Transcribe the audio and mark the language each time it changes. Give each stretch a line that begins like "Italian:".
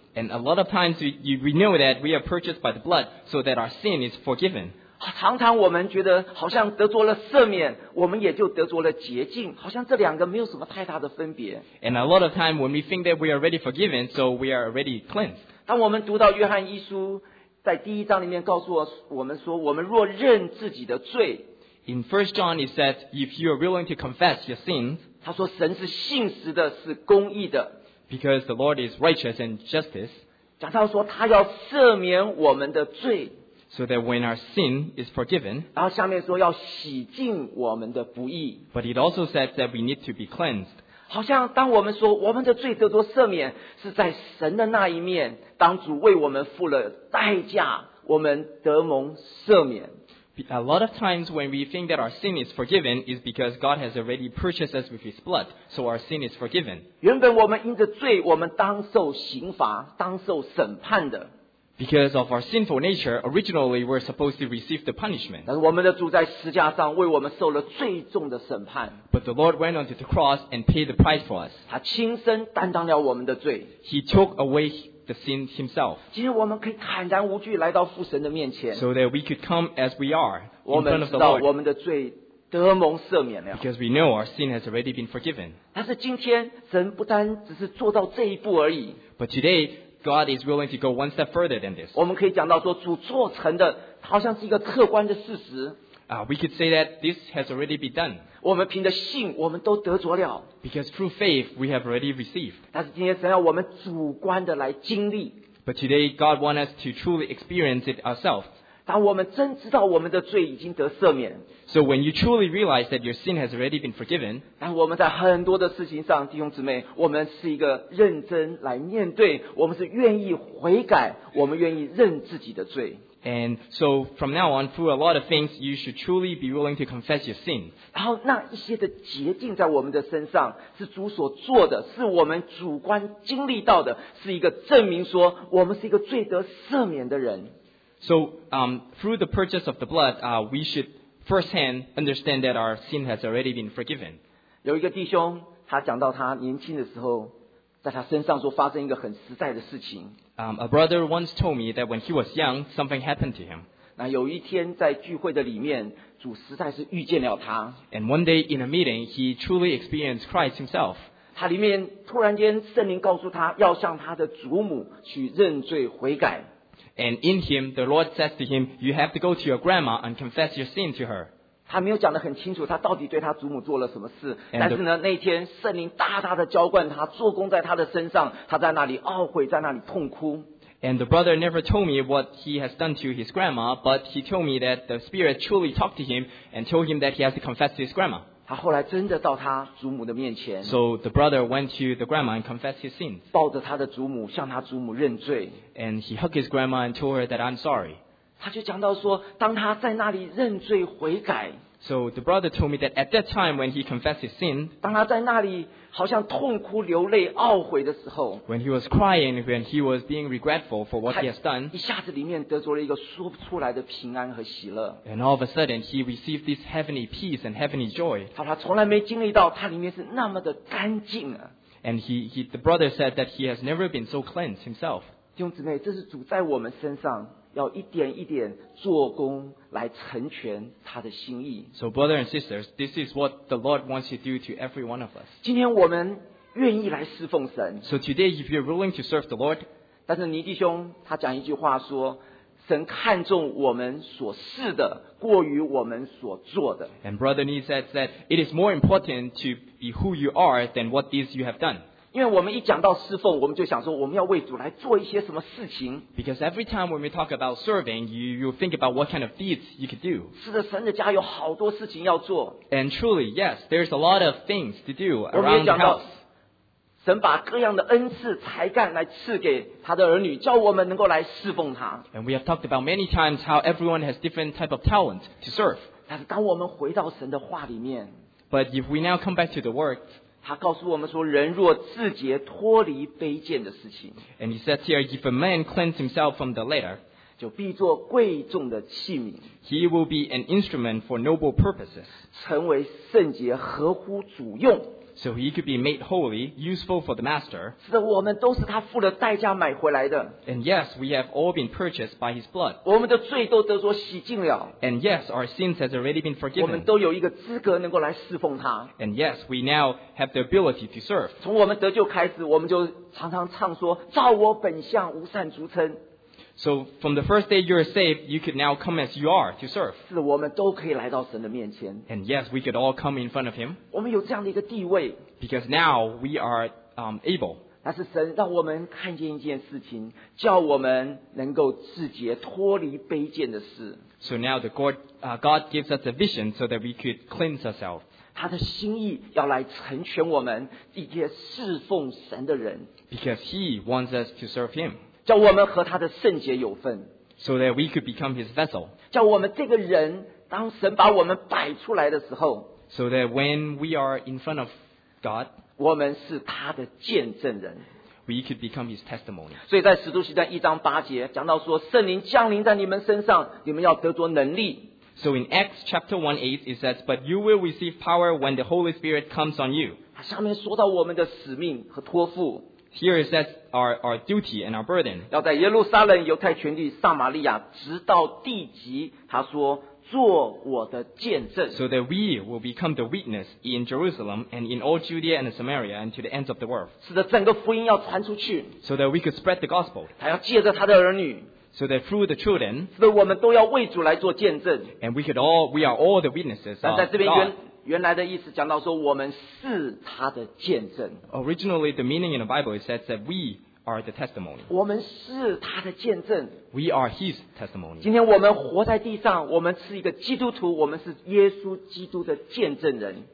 English: And a lot of times we know that we are purchased by the blood, so that our sin is forgiven.
Chinese: 常常我们觉得好像得着了赦免，我们也就得着了洁净，好像这两个没有什么太大的分别。
English: And a lot of time when we think that we are already forgiven, so we are already cleansed.
Chinese: 当我们读到约翰一书在第一章里面告诉我们说，我们若认自己的罪。
English: In 1 John, it says, if you are willing to confess your sins,
Chinese: 他说神是信实的，是公义的。
English: Because the Lord is righteous and justice.
Chinese: 讲到说他要赦免我们的罪。
English: So that when our sin is forgiven.
Chinese: 然后下面说要洗净我们的不义。
English: But it also says that we need to be cleansed.
Chinese: 好像当我们说我们的罪得着赦免，是在神的那一面，当主为我们付了代价，我们得蒙赦免。
English: A lot of times when we think that our sin is forgiven is because God has already purchased us with His blood, so our sin is forgiven.
Chinese: 原本我们因着罪，我们当受刑罚，当受审判的。
English: Because of our sinful nature, originally we're supposed to receive the punishment.
Chinese: 但是我们的主在十架上为我们受了最重的审判。
English: But the Lord went onto the cross and paid the price for us.
Chinese: 他亲身担当了我们的罪。
English: He took away the sin himself.
Chinese: 今天我们可以坦然无惧来到父神的面前。
English: So that we could come as we are in front of the Lord.
Chinese: 我们知道我们的罪得蒙赦免了。
English: Because we know our sin has already been forgiven.
Chinese: 但是今天神不单只是做到这一步而已。
English: But today, God is willing to go one step further than this.
Chinese: 我们可以讲到说主做成的好像是一个客观的事实。
English: We could say that this has already been done.
Chinese: 我们凭着信我们都得着了。
English: Because through faith, we have already received.
Chinese: 但是今天神要我们主观的来经历。
English: But today, God wants us to truly experience it ourselves.
Chinese: 当我们真知道我们的罪已经得赦免。
English: So when you truly realize that your sin has already been forgiven.
Chinese: 当我们在很多的事情上，弟兄姊妹，我们是一个认真来面对，我们是愿意悔改，我们愿意认自己的罪。
English: And so from now on, through a lot of things, you should truly be willing to confess your sin.
Chinese: 然后那一些的洁净在我们的身上是主所做的，是我们主观经历到的，是一个证明说我们是一个罪得赦免的人。
English: So, through the purchase of the blood, we should firsthand understand that our sin has already been forgiven.
Chinese: 有一个弟兄，他讲到他年轻的时候，在他身上说发生一个很实在的事情。
English: A brother once told me that when he was young, something happened to him.
Chinese: 那有一天在聚会的里面，主实在是遇见了他。
English: And one day in a meeting, he truly experienced Christ himself.
Chinese: 他里面突然间圣灵告诉他要向他的祖母去认罪悔改。
English: And in him, the Lord says to him, you have to go to your grandma and confess your sin to her.
Chinese: 他没有讲得很清楚他到底对他祖母做了什么事。但是呢那天圣灵大大的浇灌他，做工在他的身上，他在那里懊悔，在那里痛哭。
English: And the brother never told me what he has done to his grandma, but he told me that the spirit truly talked to him and told him that he has to confess to his grandma.
Chinese: 他后来真的到他祖母的面前。
English: So the brother went to the grandma and confessed his sins.
Chinese: 抱着他的祖母向他祖母认罪。
English: And he hugged his grandma and told her that I'm sorry.
Chinese: 他就讲到说当他在那里认罪悔改。
English: So the brother told me that at that time when he confessed his sin,
Chinese: 当他在那里好像痛哭流泪懊悔的时候，
English: when he was crying, when he was being regretful for what he has done,
Chinese: 一下子里面得着了一个说不出来的平安和喜乐。
English: And all of a sudden, he received this heavenly peace and heavenly joy.
Chinese: 他从来没经历到他里面是那么的干净啊。
English: And the brother said that he has never been so cleansed himself.
Chinese: 弟兄姊妹，这是主在我们身上要一点一点做工来成全他的心意。
English: So, brothers and sisters, this is what the Lord wants to do to every one of us.
Chinese: 今天我们愿意来侍奉神。
English: So today, if you're willing to serve the Lord,
Chinese: 但是尼弟兄他讲一句话说，神看重我们所事的过于我们所做的。
English: And brother Nee said that it is more important to be who you are than what deeds you have done.
Chinese: 因为我们一讲到侍奉，我们就想说我们要为主来做一些什么事情。
English: Because every time when we talk about serving, you think about what kind of deeds you could do.
Chinese: 是的，神的家有好多事情要做。
English: And truly, yes, there's a lot of things to do around the house.
Chinese: 神把各样的恩赐才干来赐给他的儿女，叫我们能够来侍奉他。
English: And we have talked about many times how everyone has different type of talent to serve.
Chinese: 但是当我们回到神的话里面，
English: But if we now come back to the word,
Chinese: 他告诉我们说，人若自洁脱离卑贱的事情，
English: And he says here, if a man cleanses himself from the latter,
Chinese: 就必作贵重的器皿，
English: He will be an instrument for noble purposes,
Chinese: 成为圣洁合乎主用。
English: So he could be made holy, useful for the master.
Chinese: 是的，我们都是他付了代价买回来的。
English: And yes, we have all been purchased by his blood.
Chinese: 我们的罪都得着洗净了。
English: And yes, our sins has already been forgiven.
Chinese: 我们都有一个资格能够来侍奉他。
English: And yes, we now have the ability to serve.
Chinese: 从我们得救开始，我们就常常唱说，照我本相，无善足称。
English: So from the first day you are saved, you could now come as you are to serve.
Chinese: 是我们都可以来到神的面前。
English: And yes, we could all come in front of him.
Chinese: 我们有这样的一个地位。
English: Because now we are able.
Chinese: 但是神让我们看见一件事情，叫我们能够自洁，脱离卑贱的事。
English: So now the God gives us a vision so that we could cleanse ourselves.
Chinese: 他的心意要来成全我们一些侍奉神的人。
English: Because he wants us to serve him.
Chinese: 叫我们和他的圣洁有份。
English: So that we could become his vessel.
Chinese: 叫我们这个人，当神把我们摆出来的时候。
English: So that when we are in front of God,
Chinese: 我们是他的见证人。
English: We could become his testimony.
Chinese: 所以在使徒行传一章八节讲到说，圣灵降临在你们身上，你们要得着能力。
English: So in Acts chapter 1:8 it says, But you will receive power when the Holy Spirit comes on you.
Chinese: 下面说到我们的使命和托付。
English: Here is that our duty and our burden.
Chinese: 要在耶路撒冷、犹太全地、撒玛利亚，直到地极。他说：“做我的见证。”
English: So that we will become the witness in Jerusalem and in all Judea and Samaria and to the ends of the world.
Chinese: 使得整个福音要传出去。
English: So that we could spread the gospel.
Chinese: 他要借着他的儿女。
English: So that through the children.
Chinese: 使得我们都要为主来做见证。
English: And we are all the witnesses.
Chinese: 但在这边原来的意思讲到说，我们是他的见证。
English: Originally, the meaning in the Bible says that we are the testimony.
Chinese: 我们是他的见证。
English: We are his testimony.
Chinese: 今天我们活在地上，我们是一个基督徒，我们是耶稣基督的见证人。